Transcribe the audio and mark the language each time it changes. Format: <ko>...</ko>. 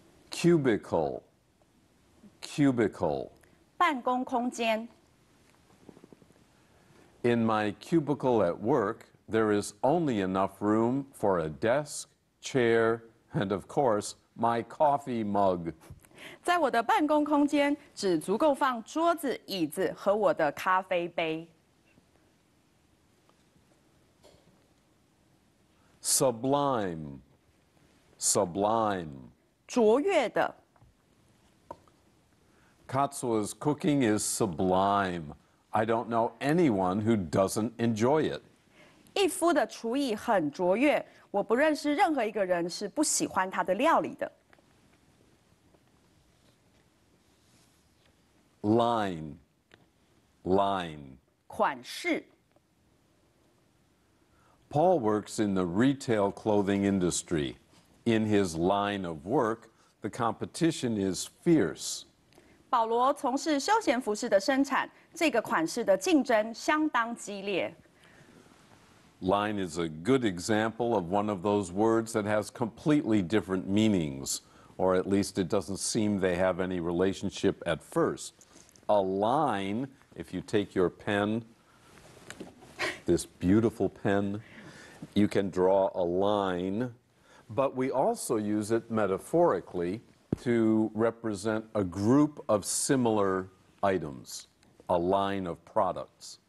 <en>cubicle, cubicle.</en> <zh>办公空间。</zh> <en>In my cubicle at work, there is only enough room for a desk, chair, and of course, my coffee mug.</en> <zh>在我的办公空间只足够放桌子、椅子和我的咖啡杯。</zh> <en>Sublime, sublime.</en> <zh>卓越的。</zh> <en>Katsuo's cooking is sublime. I don't know anyone who doesn't enjoy it.</en> <zh>一夫的厨艺很卓越，我不认识任何一个人是不喜欢他的料理的。</zh> <en>Line, line.</en> <zh>款式。</zh> <en>Paul works in the retail clothing industry. In his line of work, the competition is fierce.</en> <zh>保罗从事休闲服饰的生产，这个款式的竞争相当激烈。</zh> <en>Line is a good example of one of those words that has completely different meanings, or at least it doesn't seem they have any relationship at first. A line, if you take your pen, this beautiful pen,You can draw a line, but we also use it metaphorically to represent a group of similar items, a line of products.</en>